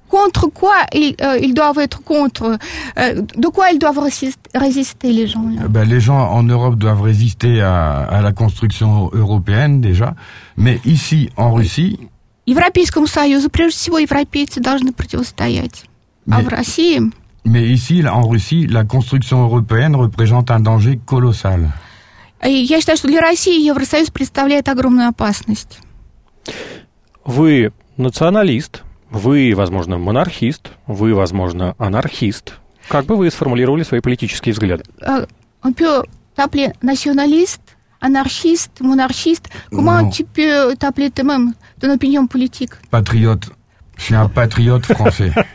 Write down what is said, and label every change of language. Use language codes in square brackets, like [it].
[fr] Contre quoi ils doivent être contre? De quoi ils doivent résister les gens? Ben, les gens en Europe doivent résister à la construction européenne déjà, mais ici en Russie. [ru] Европейскому союзу прежде всего европейцы должны противостоять. А в России? [fr] Mais ici en Russie, la construction européenne représente un danger colossal. [ru] Я считаю, что для России Евросоюз представляет огромную опасность. Вы националист, вы, возможно, монархист, вы, возможно, анархист. Как бы вы сформулировали свои политические взгляды? Он пьет тапли националист, анархист, монархист. [fr] Comment tu peux t'appeler toi-même ton opinion politique? [ru] Патриот. [fr] Je suis un patriote français.